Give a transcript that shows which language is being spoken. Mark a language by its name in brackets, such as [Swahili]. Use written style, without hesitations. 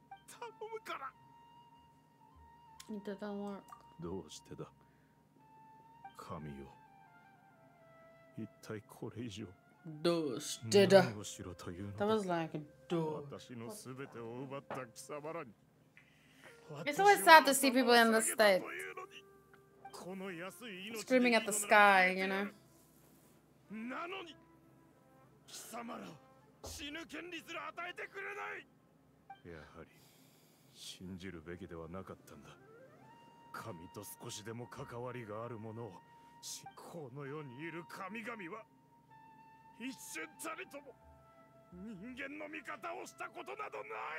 [Japanese] 頼むから。どうしてだ、神よ。一体これ以上。どうしてだ。何をしろというのだ。 [English] That was like [Japanese] a 私のすべてを奪った貴様らに。 [English] It's always sad to see people in this state. Screaming at the sky, you know. [Japanese] なのに、貴様ら、死ぬ権利すら与えてくれない。やはり信じるべきではなかったんだ。神と少しでも関わりがあるものを、しこの世にいる神々は一瞬たりとも人間の味方をしたことなどない。